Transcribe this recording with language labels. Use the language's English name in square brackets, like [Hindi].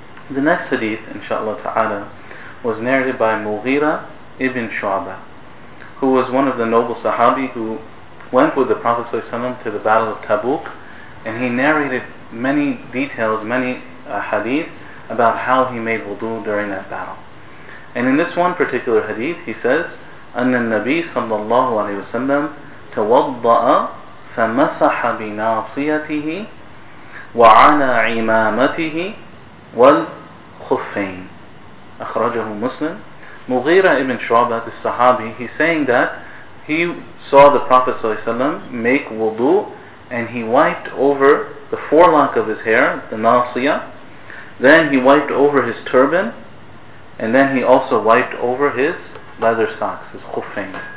[English] The next hadith, inshallah ta'ala, was narrated by Mughira ibn Shu'bah, who was one of the noble Sahabi who went with the Prophet ﷺ to the Battle of Tabuk, and he narrated many details, many hadith about how he made wudu during that battle. And in this one particular hadith, he says, [Arabic] أَنَّ النَّبِي صَلَّى اللَّهُ عَلَيْهِ وَسَلَّمْ تَوَضَّأَ فَمَسَحَ بِنَاصِيَتِهِ وَعَلَى عِمَامَتِهِ وَالْخُفَّيْنِ أَخْرَجَهُ مُسْلِمْ. [English] Mughira ibn Shu'bah, the Sahabi, he's saying that he saw the Prophet ﷺ make wudu, and he wiped over the forelock of his hair, the nasiya. Then he wiped over his turban, and then he also wiped over his leather socks, his khuffain.